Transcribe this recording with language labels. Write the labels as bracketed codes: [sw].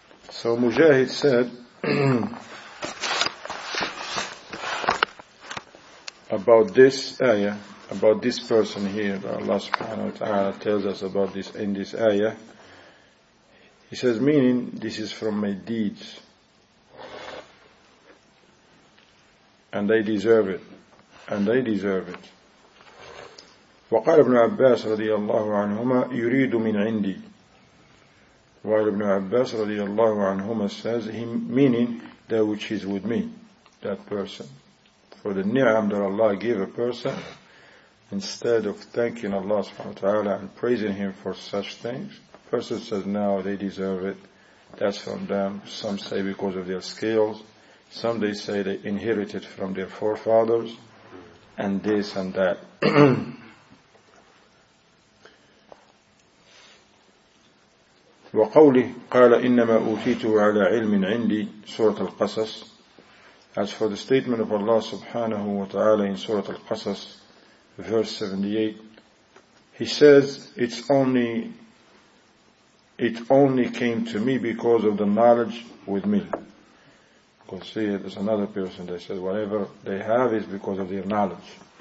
[en] So Mujahid said about this ayah, about this person here that Allah subhanahu wa ta'ala tells us about this in this ayah. He says, meaning, this is from my deeds and I deserve it, and I deserve it. [ar] وقال ابن عباس رضي الله عنهما يريد من عندي. [en] While Ibn Abbas radiallahu anhuma says, he meaning that which is with me, that person. For the ni'am that Allah gave a person, instead of thanking Allah subhanahu wa ta'ala and praising him for such things, person says, no, they deserve it. That's from them. Some say because of their skills. Some they say they inherited from their forefathers. And this and that. [ar] وقوله قال إنما أوتيته على علم عندي سورة القصص. [en] As for the statement of Allah subhanahu wa ta'ala in Surah Al-Qasas, verse 78, he says, it only came to me because of the knowledge with me. You can see it, there's another person that said, whatever they have is because of their knowledge.